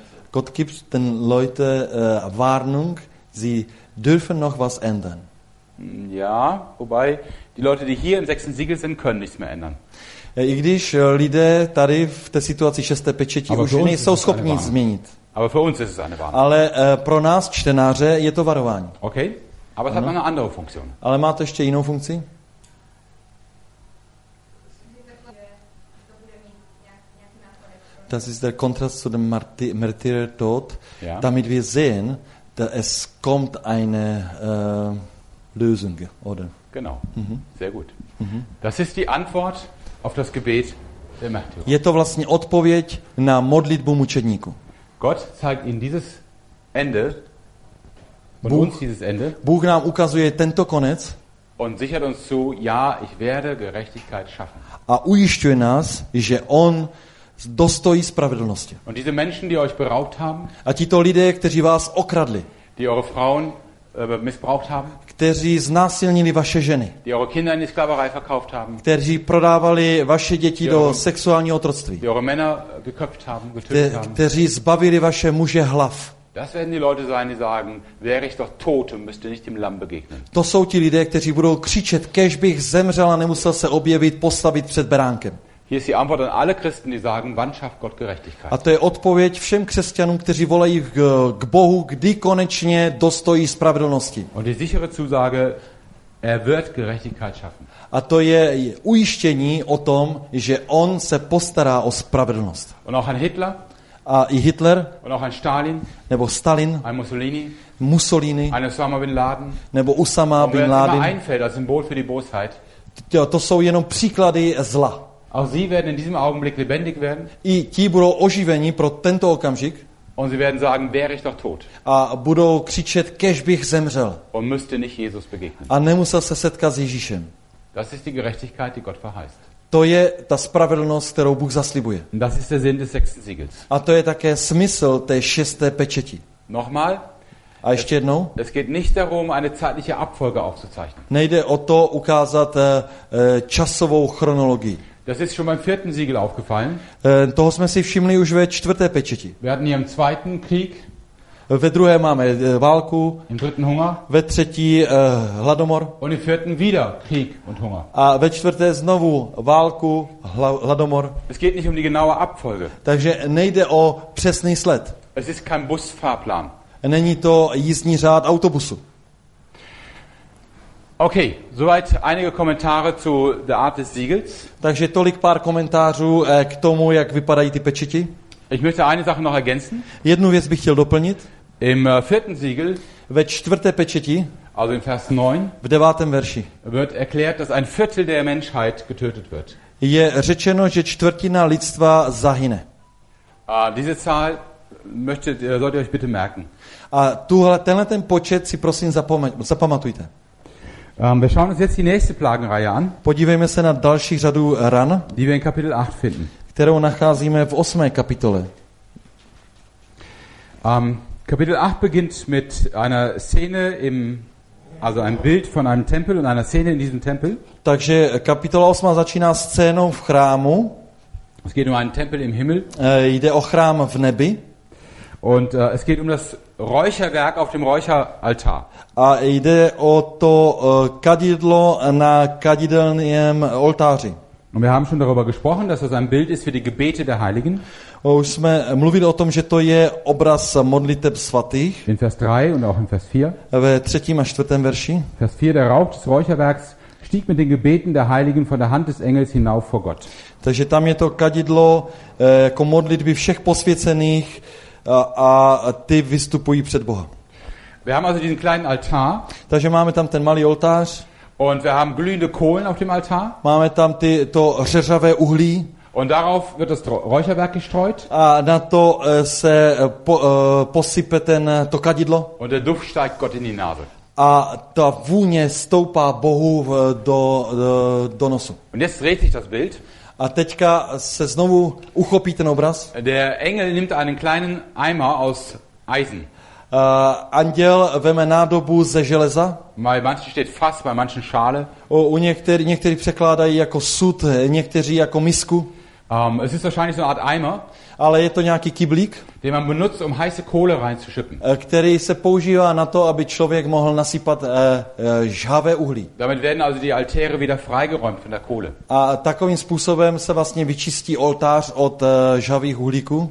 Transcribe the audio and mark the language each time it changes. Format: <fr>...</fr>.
<de>Gott gibt den Leuten Warnung, sie dürfen noch was ändern. Ja, wobei die Leute, die hier im sechsten Siegel sind, können nichts mehr ändern.</de> <cs>I když lidé tady v té situaci šesté pečeti už nejsou schopni změnit.</cs> <de>Aber für uns ist es eine Warnung.</de> <cs>Ale pro nás čtenáře je to varování.</cs> <de>Okay. Aber es hat eine andere Funktion.</de> <cs>Ale má to ještě jinou funkci?</cs> <de>Das ist der Kontrast zu dem Märtyrer Tod, ja. Damit wir sehen, dass es kommt eine Lösung, oder? Genau, sehr gut. Das ist die Antwort auf das Gebet der Märtyrer.</de> <cs>Je to vlastně odpověď na modlitbu mučedníku.</cs> <de>Gott zeigt Ihnen dieses Ende und</de> <cs>Bůh,</cs> <de>uns dieses Ende.</de> <cs>Bůh nám ukazuje tento konec.</cs> <de>Und sichert uns zu, ja, ich werde Gerechtigkeit schaffen.</de> <cs>A ujišťuje nás, že on dostojí spravedlnosti.</cs> <de>Und diese Menschen, die euch beraubt haben,</de> <cs>a tito lidé, kteří vás okradli,</cs> <de>die eure Frauen missbraucht haben,</de> <cs>kteří znásilnili vaše ženy,</cs> <de>die eure Kinder in die Sklaverei verkauft haben,</de> <cs>kteří prodávali vaše děti do sexuálního otroctví,</cs> <de>die eure Männer geköpft haben, getötet haben,</de> <cs>kteří zbavili vaše muže hlav.</cs> <de>Das werden die Leute sein, die sagen, wäre ich doch tot und müsste nicht dem Lamm begegnen.</de> <cs>To jsou ti lidé, kteří budou křičet, kéž bych zemřel a nemusel se objevit, postavit před beránkem.</cs> <de>Hier ist die Antwort an alle Christen, die sagen, wann schafft Gott Gerechtigkeit?</de> <cs>A to je odpověď všem křesťanům, kteří volají k Bohu, kdy konečně dostojí spravedlnosti.</cs> <de>Und die sichere Zusage, er wird Gerechtigkeit schaffen.</de> <cs>A to je ujištění o tom, že on se postará o spravedlnost.</cs> <de>Und auch ein Hitler?</de> <cs>A i Hitler?</cs> <de>Und auch ein Stalin?</de> <cs>Nebo Stalin?</cs> <de>Ein Mussolini?</de> <cs>Mussolini?</cs> <de>Ein Osama bin Laden?</de> <cs>Nebo Osama bin Laden?</cs> <de>Und wer einfällt als Symbol für die Bosheit?</de> <cs>To jsou jenom příklady zla.</cs> <de>Auch sie werden in diesem Augenblick lebendig werden.</de> <cs>I ti budou oživeni pro tento okamžik.</cs> <de>Und sie werden sagen, wäre ich doch tot.</de> <cs>A budou křičet, kéž bych zemřel.</cs> <de>Und müsste nicht Jesus begegnen.</de> <cs>A nemusel se setkat s Ježíšem.</cs> <de>Das ist die Gerechtigkeit, die Gott verheißt.</de> <cs>To je ta spravedlnost, kterou Bůh zaslibuje.</cs> <de>Das ist der Sinn des sechsten Siegels.</de> <cs>A to je také smysl té šesté pečeti.</cs> <de>Nochmal.</de> <cs>A ještě jednou.</cs> <de>Es geht nicht darum, eine zeitliche Abfolge aufzuzeichnen.</de> <cs>Nejde o to ukázat časovou chronologii.</cs> <de>Das ist schon beim vierten Siegel aufgefallen.</de> <cs>Toho jsme si všimli už ve čtvrté pečeti.</cs> <de>Wir hatten hier im zweiten Krieg.</de> <cs>Ve druhé máme válku.</cs> <de>Im dritten Hunger.</de> <cs>Ve třetí hladomor.</cs> <de>Und im vierten wieder Krieg und Hunger.</de> <cs>A ve čtvrté znovu válku, hladomor.</cs> <de>Es geht nicht um die genaue Abfolge.</de> <cs>Takže nejde o přesný sled.</cs> <de>Es ist kein Busfahrplan.</de> <cs>Není to jízdní řád autobusu.</cs> <de>Okay, soweit einige Kommentare zu der Art des Siegels.</de> <cs>Takže tolik pár komentářů k tomu, jak vypadají ty pečeti.</cs> <de>Ich möchte eine Sache noch ergänzen.</de> <cs>Jednu věc bych chtěl doplnit.</cs> <de>Im vierten Siegel,</de> <cs>ve čtvrté pečeti,</cs> <de>also in Vers 9,</de> <cs>v devátém verši,</cs> <de>wird erklärt, dass ein Viertel der Menschheit getötet wird.</de> <cs>Je řečeno, že čtvrtina lidstva zahyne.</cs> <de>A diese Zahl möchtet, solltet ihr euch bitte merken.</de> <cs>A tuhle, tenhle ten počet si prosím zapamatujte.</cs> <de>Wir schauen uns jetzt die nächste Plagenreihe an.</de> <cs>Podívejme se na další řadu ran,</cs> <de>die wir in Kapitel 8 finden.</de> <cs>Kterou nacházíme v 8. kapitole.</cs> <de>Kapitel 8 beginnt mit einer Szene im, also ein Bild von einem Tempel und einer Szene in diesem Tempel.</de> <cs>Takže kapitola 8 začíná scénou v chrámu.</cs> <de>Es geht um einen Tempel im Himmel.</de> <cs>Jde o chrám v nebi.</cs> <de>Und es geht um das Räucherwerk auf dem Räucheraltar.</de> <cs>A jde o to kadidlo na kadidelném oltáři.</cs> <de>Und wir haben schon darüber gesprochen, dass das ein Bild ist für die Gebete der Heiligen.</de> <cs>Už jsme mluvili o tom, že to je obraz modliteb svatých.</cs> <de>In Vers 3 und auch in Vers 4.</de> <cs>Ve třetím a čtvrtém verši.</cs> <de>Vers 4, der Rauch des Räucherwerks stieg mit den Gebeten der Heiligen von der Hand des Engels hinauf vor Gott.</de> <cs>Takže tam je to kadidlo jako modlitby všech posvěcených a ty vystupují před Boha.</cs> <de>Wir haben also diesen kleinen Altar.</de> <cs>Takže máme tam ten malý oltář.</cs> <de>Und wir haben glühende Kohlen auf dem Altar.</de> <cs>Máme tam ty, to řeřavé uhlí.</cs> <de>Und darauf wird das Räucherwerk gestreut.</de> <cs>A na to se posype ten to kadidlo.</cs> <de>Und der Duft steigt Gott in die Nase.</de> <cs>A ta vůně stoupá Bohu do nosu.</cs> <de>Und jetzt dreht sich das Bild.</de> <cs>A teďka se znovu uchopí ten obraz.</cs> <de>Der Engel nimmt einen kleinen Eimer aus Eisen.</de> <cs>Anděl veme nádobu ze železa.</cs> <de>Bei manchen steht Fass, bei manchen Schale.</de> <cs>Někteří překládají jako sud, někteří jako misku.</cs> <de>Es ist wahrscheinlich so eine Art Eimer.</de> <cs>Ale je to nějaký kyblík,</cs> <de>den man benutzt, um heiße Kohle reinzuschütten.</de> <cs>Který se používá na to, aby člověk mohl nasypat žhavé uhlí.</cs> <de>Damit werden also die Altäre wieder freigeräumt von der Kohle.</de> <cs>A takovým způsobem se vlastně vyčistí oltář od žhavých uhlíků.</cs>